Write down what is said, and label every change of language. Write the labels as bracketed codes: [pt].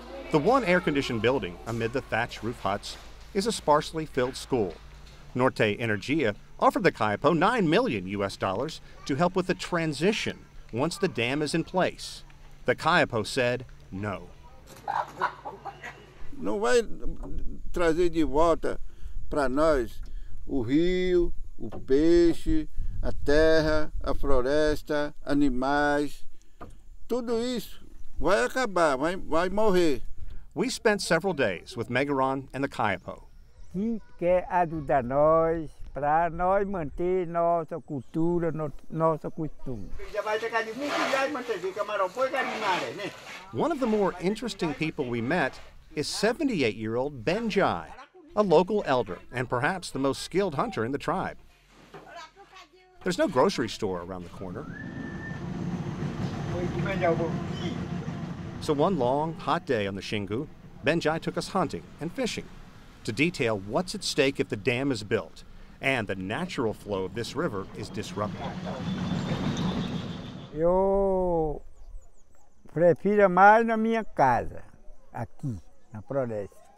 [en] The one air-conditioned building amid the thatch roof huts is a sparsely filled school. Norte Energia offered the Kayapo $9 million to help with the transition once the dam is in place. The Kayapo said no. [pt] Não vai trazer de volta para nós o rio, o peixe, a terra, a floresta, animais. Tudo isso vai acabar, vai morrer. [en] We spent several days with Megaron and the Kayapo. [pt] Quem quer ajudar nós para nós manter nossa cultura, nossa costume. [en] One of the more interesting people we met is 78-year-old Ben Jai, a local elder and perhaps the most skilled hunter in the tribe. There's no grocery store around the corner. So one long, hot day on the Xingu, Ben Jai took us hunting and fishing to detail what's at stake if the dam is built and the natural flow of this river is disrupted. [pt] Eu prefiro mais na minha casa, aqui, na floresta.